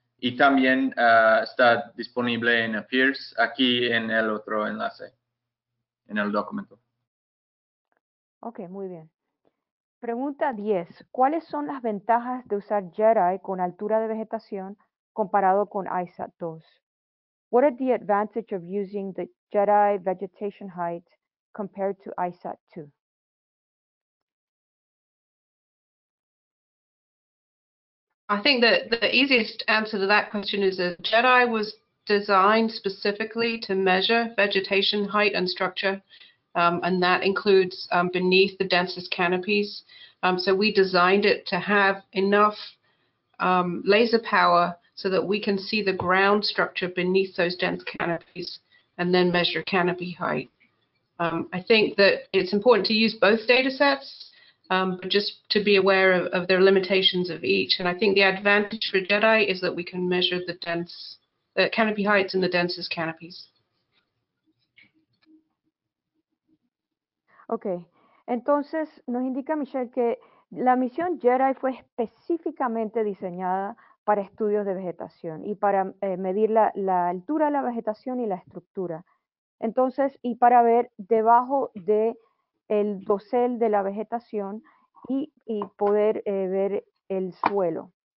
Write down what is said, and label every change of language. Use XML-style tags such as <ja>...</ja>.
<es>Y también está disponible en Appears, aquí en el otro enlace, en el documento. Ok, muy bien. Pregunta 10. ¿Cuáles son las ventajas de usar JEDI con altura de vegetación comparado con ISAT-2?</es> <en>What are the advantages of using the JEDI vegetation height compared to ISAT-2? I think that the easiest answer to that question is that JEDI was designed specifically to measure vegetation height and structure, and that includes beneath the densest canopies. So we designed it to have enough laser power so that we can see the ground structure beneath those dense canopies and then measure canopy height. I think that it's important to use both data sets, but just to be aware of their limitations of each. And I think the advantage for JEDI is that we can measure the dense canopy heights and the densest canopies. Okay.</en> <es>Entonces, nos indica Michelle que la misión JEDI fue específicamente diseñada para estudios de vegetación y para medir la altura de la vegetación y la estructura. Entonces, y para ver debajo de el dosel de la vegetación y poder ver el suelo.</es>